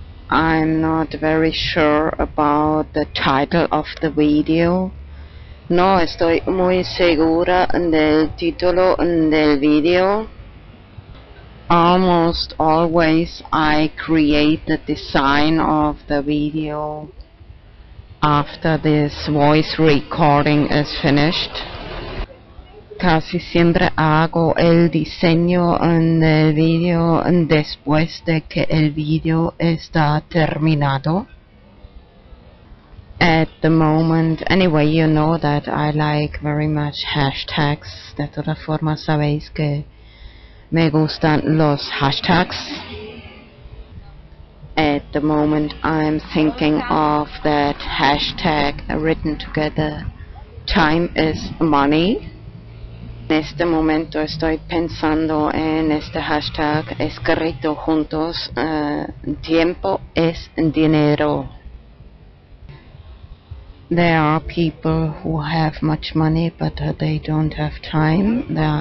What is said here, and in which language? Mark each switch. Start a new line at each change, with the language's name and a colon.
English: I'm not very sure about the title of the video.
Spanish: No estoy muy segura del título del video.
English: Almost always I create the design of the video after this voice recording is finished.
Spanish: Casi siempre hago el diseño del video después de que el video está terminado.
English: At the moment, anyway, you know that I like very much hashtags.
Spanish: De todas formas, sabéis que me gustan los hashtags.
English: At the moment, I'm thinking of that hashtag written together. Time is money.
Spanish: En este momento estoy pensando en este hashtag escrito juntos, tiempo es dinero.
English: There are people who have much money but they don't have time.